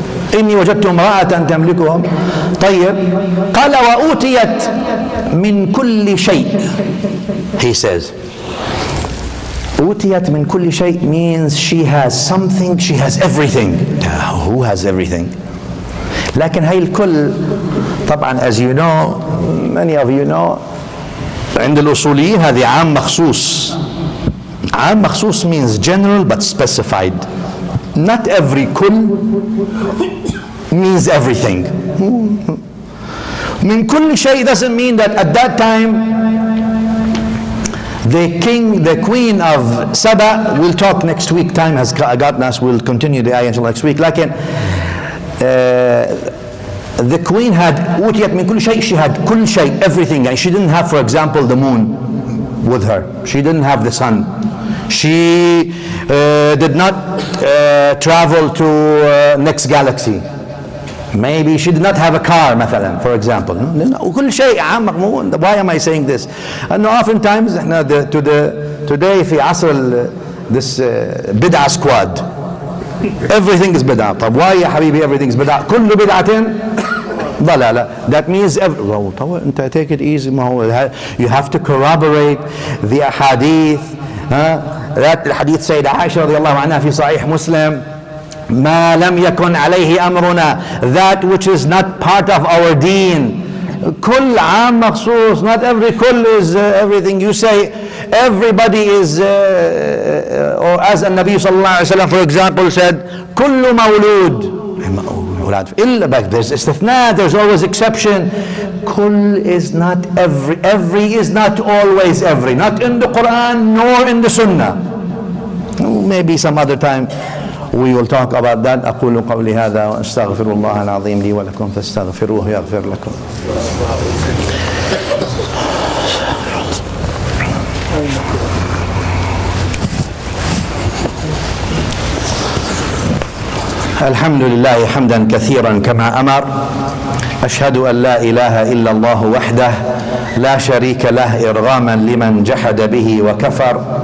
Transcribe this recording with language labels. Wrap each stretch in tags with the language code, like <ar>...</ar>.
<ar>إِنِّي وَجَدْتُ مْرَأَةً تَمْلِكُهُمْ طَيِّبْ قَالَ وَأُوْتِيَتْ مِنْ كُلِّ شَيْءٍ.</ar> <en>He says,</en> <ar>أُوْتِيَتْ مِنْ كُلِّ شَيْءٍ</ar> <en>means she has something, she has everything. Who has everything?</en> <ar>لكن هاي الكل طبعا,</ar> <en>as you know, many of you know,</en> <ar>عند الأصوليين هذه عام مخصوص.</ar> <en>عام مخصوص means general but specified. Not every kul means everything.</en> <ar>Min kulli shay</ar> <en>doesn't mean that at that time the king, the queen of Saba, we'll talk next week, time has gotten us, we'll continue the ayah next week. Lakin, the queen had,</en> <ar>utiyat min kulli shay,</ar> <en>she had kul shay, everything. And she didn't have, for example, the moon with her. She didn't have the sun. She did not travel to next galaxy. Maybe she did not have a car, مثلا, for example.</en> <ar>كل شيء عام مقمون.</ar> <en>Why am I saying this? And oftentimes, today, في عصر this بدعة squad. Everything is بدعة. طب why, يا حبيبي, everything is بدعة.</en> <ar>كل بدعة ضلالة.</ar> <en>That means أنت take it easy. You have to corroborate the ahadith. That الحديث سيدة عائشة رضي الله عنها في صحيح مسلم,</en> <ar>ما لم يكن عليه أمرنا,</ar> <en>that which is not part of our deen.</en> <ar>كل عام مخصوص,</ar> <en>not every كل is everything. You say everybody is or as النبي صلى الله عليه وسلم for example said,</en> <ar>كل مولود إلا,</ar> <en>but there's استثناء, there's always exception. كل is not every, every is not always every, not in the Quran nor in the Sunnah. Maybe some other time we will talk about that.</en> <ar>أقول قولي هذا وأستغفر الله العظيم لي ولكم فاستغفروه يغفر لكم. الحمد لله حمدا كثيرا كما أمر. أشهد أن لا إله إلا الله وحده لا شريك له إرغاما لمن جحد به وكفر.</ar>